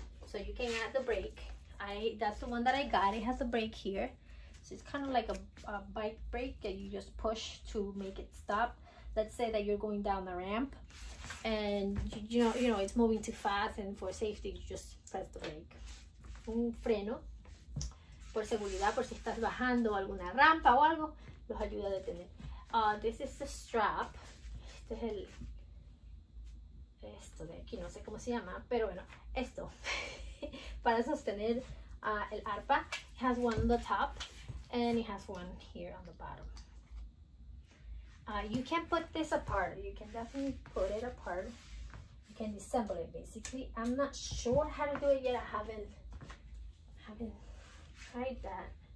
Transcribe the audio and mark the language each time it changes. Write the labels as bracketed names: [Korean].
[English] So you can add the break. That's the one that I got. It has a break here. So it's kind of like a bike break that you just push to make it stop. Let's say that you're going down the ramp and you know, it's moving too fast, and for safety, you just press the brake. [Spanish] Un freno. Por seguridad, por si estás bajando alguna rampa o algo, los ayuda a detener. [English] This is the strap. [Spanish] Este es el. Esto de aquí, no sé cómo se llama, pero bueno, esto. Para sostener el arpa. [English] It has one on the top and it has one here on the bottom. You can put this apart. You can definitely put it apart. You can disassemble it, basically. I'm not sure how to do it yet. I haven't tried that.